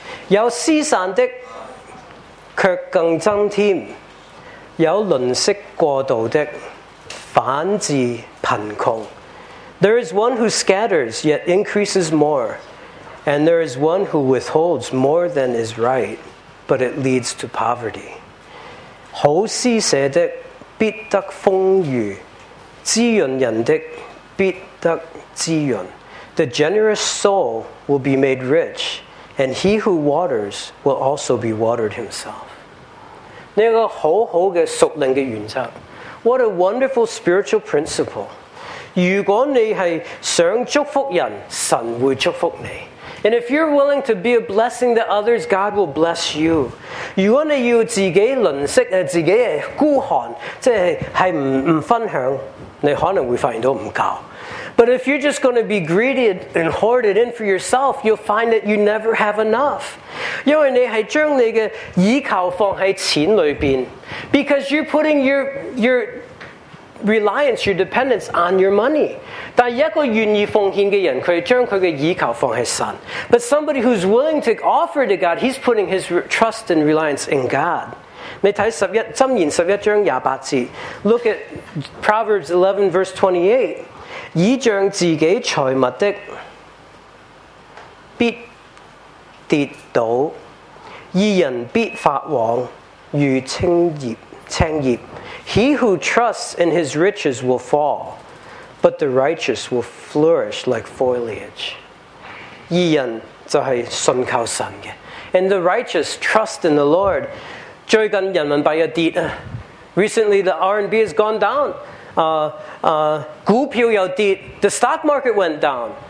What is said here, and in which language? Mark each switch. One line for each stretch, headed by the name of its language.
Chinese: 有思散的却更增添，有吝啬过度的反致贫穷。
English: There is one who scatters yet increases more, and there is one who withholds more than is right, but it leads to poverty.
Chinese: 好施舍的必得丰裕，滋润人的必得滋润。
English: The generous soul will be made rich, and he who waters will also be watered himself.
Chinese: 这个好好的属灵的原则，
English: What a wonderful spiritual principle.
Chinese: 如果你是想祝福人，神会祝福你。
English: And if you're willing to be a blessing to others, God will bless you.
Chinese: 如果你要自己吝啬，自己孤寒，即是不分享，你可能会发现到不够。
English: But if you're just going to be greedy and hoard it in for yourself, you'll find that you never have enough.
Chinese: 因为你是将你的依靠放在钱里面。
English: Because you're putting your reliance, your dependence on your money.
Chinese: 但一个愿意奉献的人，他将他的依靠放在神。
English: But somebody who's willing to offer to God, he's putting his trust and reliance in God.
Chinese: 你看箴言11:28.
English: Look at Proverbs 11:28.
Chinese: 倚仗自己财物的必跌倒，义人必发旺如青叶。
English: He who trusts in his riches will fall, but the righteous will flourish like foliage.
Chinese: 义人就是信靠神的。
English: And the righteous trust in the Lord.
Chinese: 最近人民币又跌。
English: Recently the RMB has gone down.
Chinese: 股票又跌，
English: the stock market went down.